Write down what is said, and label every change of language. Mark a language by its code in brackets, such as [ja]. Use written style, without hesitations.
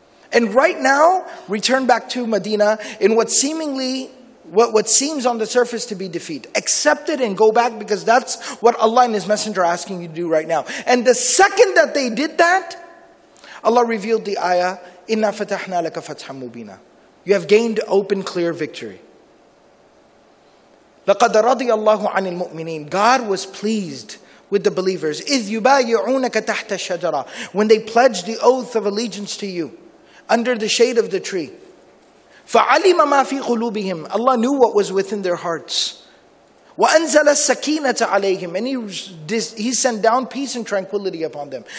[en] And right now, return back to Medina in what seems on the surface to be defeat. Accept it and go back, because that's what Allah and His Messenger are asking you to do right now. And the second that they did that, Allah revealed the ayah, [ar] Inna fatahna laka fatham mubina. [en] You have gained open, clear victory. [ar] لَقَدَ رَضِيَ اللَّهُ عَنِ الْمُؤْمِنِينَ. [en] God was pleased with the believers. [ar] إِذْ يُبَايِعُونَكَ تَحْتَ الشَّجَرَةِ [en] When they pledge the oath of allegiance to you under the shade of the tree. [ar] فَعَلِمَ مَا فِي قُلُوبِهِمْ [en] Allah knew what was within their hearts. [ar] وَأَنزَلَ السَّكِينَةَ عَلَيْهِمْ [en] And he sent down peace and tranquility upon them.